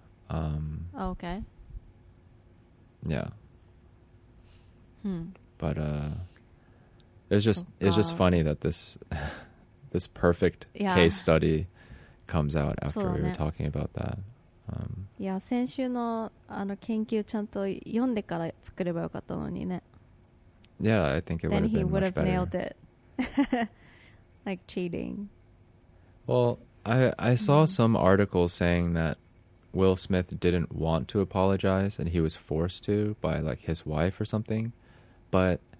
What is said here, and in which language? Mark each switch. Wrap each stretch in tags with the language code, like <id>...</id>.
<en>Okay. Yeah. Hmm. But, It's just funny that this perfect case study comes out after we were talking about that.</en> <ja>Yeah, 先週のあの研究ちゃんと読んでから作ればよかったのにね。</ja> <en>Yeah, I think it would have been much better. Then he would have nailed it. Like cheating. Well, I saw some articles saying that Will Smith didn't want to apologize and he was forced to by like his wife or something. But...</en>